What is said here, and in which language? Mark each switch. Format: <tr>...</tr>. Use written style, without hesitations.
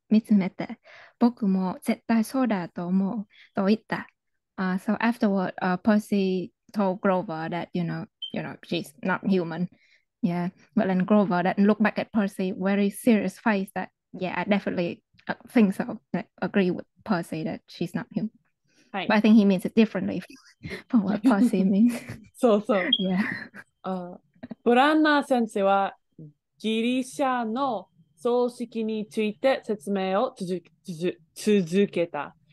<ja>見つめて僕も絶対そうだと思うと言った。</ja> <en>So afterward, Percy told Grover that, you know, she's not human. Yeah. But then Grover then looked back at Percy very serious face that, yeah, I definitely think so. I agree with Percy that she's not human. Hi. But I think he means it differently from what Percy means. So. Yeah.</en> <ja>ブランナー先生はギリシャの葬式について説明を続けた。</ja>